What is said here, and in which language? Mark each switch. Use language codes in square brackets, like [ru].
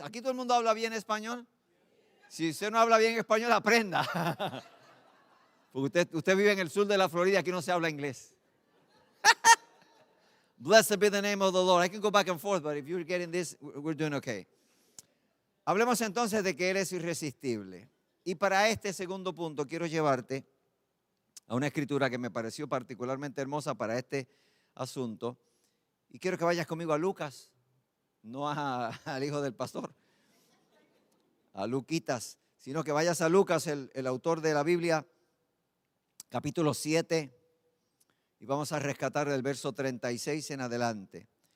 [es] ¿Aquí todo el mundo habla bien español? Si usted no habla bien español, aprenda. Porque usted vive en el sur de la Florida, aquí no se habla inglés. [en] Blessed be the name of the Lord. I can go back and forth, but if you're getting this, we're doing okay. [es] Hablemos entonces de que Él es irresistible. Y para este segundo punto quiero llevarte a una escritura que me pareció particularmente hermosa para este asunto. Y quiero que vayas conmigo a Lucas, no al hijo del pastor, a Luquitas, sino que vayas a Lucas, el autor de la Biblia, capítulo 7, y vamos a rescatar el verso 36 en adelante.